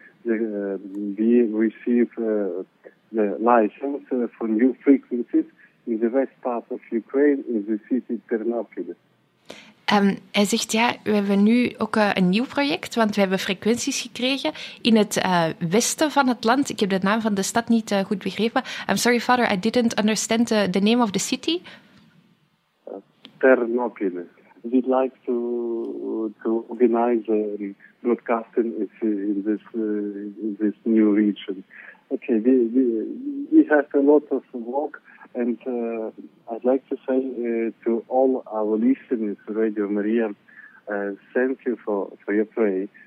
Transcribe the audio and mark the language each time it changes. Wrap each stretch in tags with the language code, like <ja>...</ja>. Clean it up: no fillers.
<en>We receive the license for new frequencies in the west part of Ukraine, in the city Ternopil.</en> <nl>Hij zegt, ja, we hebben nu ook een nieuw project, want we hebben frequenties gekregen in het westen van het land. Ik heb de naam van de stad niet goed begrepen.</nl> <en>I'm sorry, Father, I didn't understand the name of the city. Ternopil. We'd like to organize broadcasting in this new region. Okay, we have a lot of work. And I'd like to say to all our listeners, Radio Maria, thank you for your pray.</en>